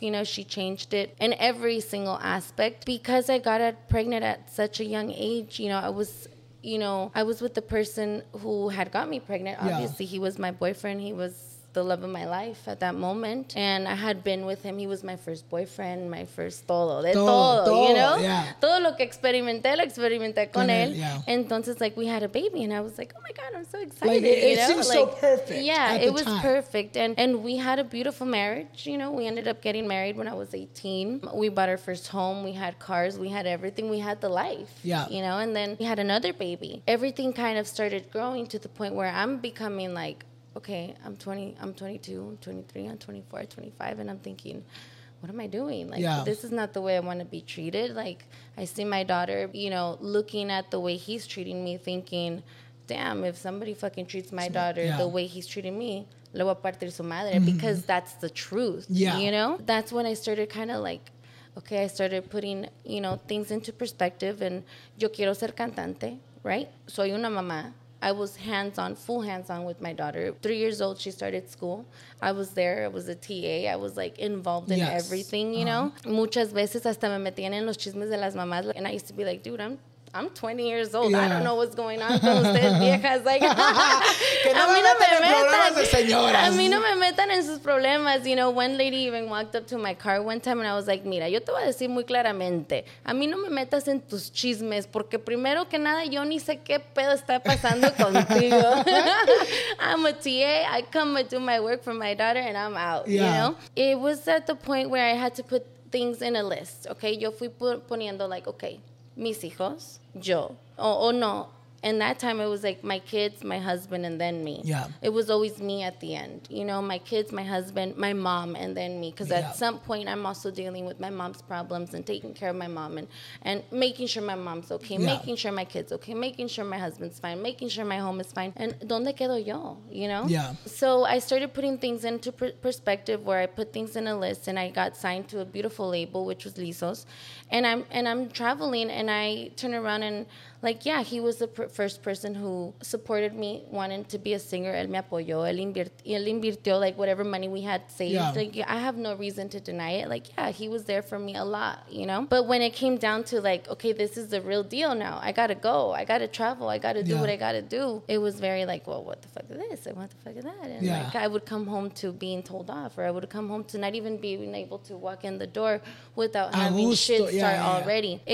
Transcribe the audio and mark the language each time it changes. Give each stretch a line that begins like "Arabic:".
English: You know, she changed it in every single aspect because I got pregnant at such a young age. You know, I was with the person who had got me pregnant. Obviously, yeah. he was my boyfriend. He was the love of my life at that moment. And I had been with him. He was my first boyfriend, my first todo, you know? Yeah.
Spanish: Todo lo que experimenté, lo experimenté con él.
English: Yeah. Entonces, like, we had a baby. And I was like, oh, my God, I'm so excited. Like, it seemed like, so perfect. Yeah, it was perfect. And we had a beautiful marriage, you know? We ended up getting married when I was 18. We bought our first home. We had cars. We had everything. We had the life, yeah. you know? And then we had another baby. Everything kind of started growing to the point where I'm becoming, like, okay, I'm 22, 23, 24, 25, and I'm thinking, what am I doing? Like, yeah. this is not the way I want to be treated. Like, I see my daughter, you know, looking at the way he's treating me, thinking, damn, if somebody fucking treats my daughter yeah. the way he's treating me,
Spanish: le voy a partir su madre,
English: mm-hmm. because that's the truth, yeah. you know? That's when I started kind of like, okay, I started putting, you know, things into perspective, and
Spanish: yo quiero ser cantante,
English: right?
Spanish: Soy una mamá.
English: I was hands-on, full hands-on with my daughter. 3 years old, she started school. I was there. I was a TA. I was, like, involved in yes. everything, you know?
Spanish: Muchas veces hasta me metían en los chismes de las mamás.
English: And I used to be like, dude, I'm 20 years old. Yeah. I don't know what's going on
Spanish: con ustedes viejas.
English: Like,
Spanish: a mí no me metan. Problemas de señoras. A mí no me metan en sus problemas.
English: You know, one lady even walked up to my car one time and I was like,
Spanish: mira, yo te voy a decir muy claramente. A mí no me metas en tus chismes porque primero que nada, yo ni sé qué pedo está pasando contigo.
English: I'm a TA. I come and do my work for my daughter and I'm out, yeah. you know? It was at the point where I had to put things in a list, okay?
Spanish: Yo fui poniendo like, okay, mis hijos, yo.
English: Oh, no. In that time, it was like my kids, my husband, and then me. Yeah. It was always me at the end. You know, my kids, my husband, my mom, and then me. Because yeah. at some point, I'm also dealing with my mom's problems and taking care of my mom and making sure my mom's okay, yeah. making sure my kid's okay, making sure my husband's fine, making sure my home is fine. And
Spanish: ¿dónde quedo yo?
English: You know? Yeah. So I started putting things into perspective where I put things in a list and I got signed to a beautiful label, which was Lizos. And I'm traveling and I turn around and like, yeah, he was the first person who supported me, wanting to be a singer.
Spanish: Él me apoyó, él invirtió,
English: like, whatever money we had saved. Yeah. Like, I have no reason to deny it. Like, yeah, he was there for me a lot, you know? But when it came down to, like, okay, this is the real deal now. I got to go. I got to travel. I got to do yeah. what I got to do. It was very, like, well, what the fuck is this? And what the fuck is that? And, yeah. like, I would come home to being told off, or I would come home to not even being able to walk in the door without having shit start yeah, yeah, already. Yeah.